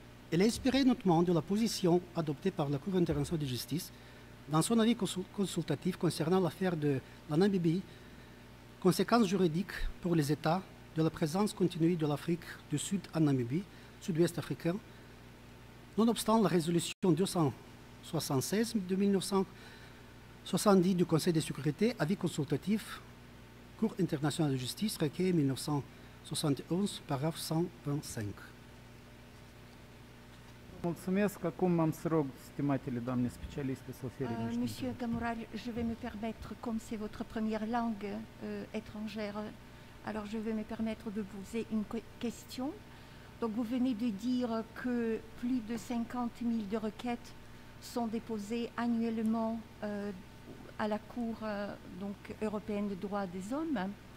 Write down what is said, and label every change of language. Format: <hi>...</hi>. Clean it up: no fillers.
<fr>Elle est inspirée notamment de la position adoptée par la Cour internationale de justice dans son avis consultatif concernant l'affaire de la Namibie, conséquences juridiques pour les États de la présence continue de l'Afrique du Sud en Namibie, sud-ouest africain, nonobstant la résolution 276 de 1970 du Conseil de sécurité, avis consultatif, Cour internationale de justice, requis 1971, paragraphe 125.</fr> <ro>Mulțumesc. Acum am să rog, stimatele doamne specialiste, să oferim niște întrebări.</ro> <fr>Monsieur Gamural, je vais me permettre, comme c'est votre première langue étrangère, alors je vais me permettre de vous poser une question. Donc vous venez de dire que plus de 50 000 de requêtes sont déposées annuellement à la Cour donc, européenne des droits des hommes.</fr>